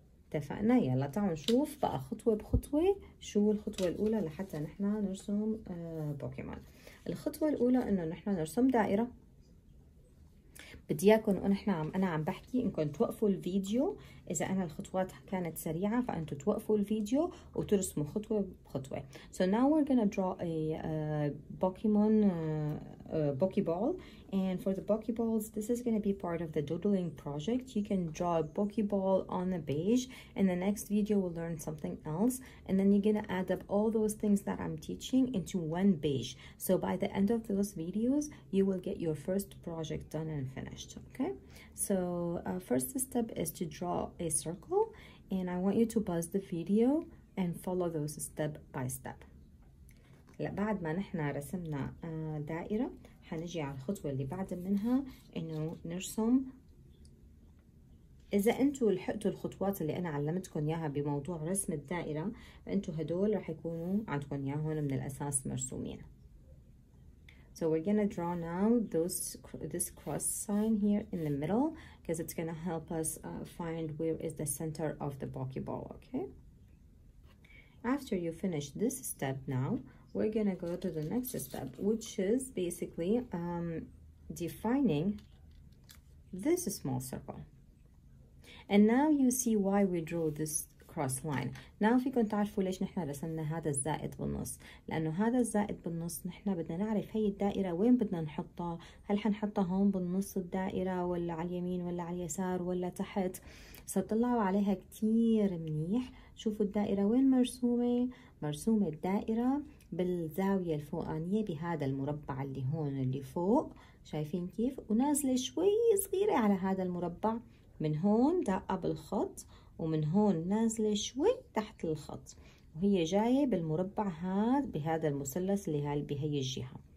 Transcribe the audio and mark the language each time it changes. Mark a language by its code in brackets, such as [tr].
[ar] اتفقنا؟ يلا تعالوا نشوف بقى خطوة بخطوة شو الخطوة الأولى لحتى نحنا نرسم بوكيمون. الخطوة الأولى إنه نحنا نرسم دائرة. بدي اياكم ونحن انا عم بحكي انكم توقفوا الفيديو، اذا انا الخطوات كانت سريعه فانتم توقفوا الفيديو وترسموا خطوه بخطوه. [en] So now we're gonna draw a Pokemon Pokeball, and for the Pokeballs this is gonna be part of the doodling project. You can draw a Pokeball on a page. In the next video we'll learn something else, and then you're gonna add up all those things that I'm teaching into one page. So by the end of those videos you will get your first project done and finished. Okay, so first step is to draw a circle, and I want you to pause the video and follow those step by step. [ar] هلا بعد ما نحن رسمنا دائرة حنجي على الخطوة اللي بعد منها، انه نرسم. اذا انتو لحقتوا الخطوات اللي انا علمتكم اياها بموضوع رسم الدائرة، فانتو هدول رح يكونوا عندكم اياهم من الاساس مرسومين. [en] So we're gonna draw now this cross sign here in the middle, because it's gonna help us find where is the center of the Pokeball. Okay, after you finish this step now, we're gonna go to the next step, which is basically defining this small circle. And now you see why we drew this cross line. Now if you can [ar] تعرفوا ليش نحنا رسمنا هذا الزائد بالنص، لأنه هذا الزائد بالنص نحنا بدنا نعرف هي الدائرة وين بدنا نحطها. هل حنحطها هون بالنص الدائرة، ولا على اليمين، ولا على اليسار، ولا تحت؟ ستطلعوا عليها كتير منيح. شوفوا الدائرة وين مرسومة. مرسومة الدائرة بالزاوية الفوقانية بهذا المربع اللي هون اللي فوق، شايفين كيف؟ ونازلة شوي صغيرة على هذا المربع، من هون دقة بالخط، ومن هون نازلة شوي تحت الخط، وهي جاية بالمربع هذا بهذا المثلث اللي هال بهي الجهة.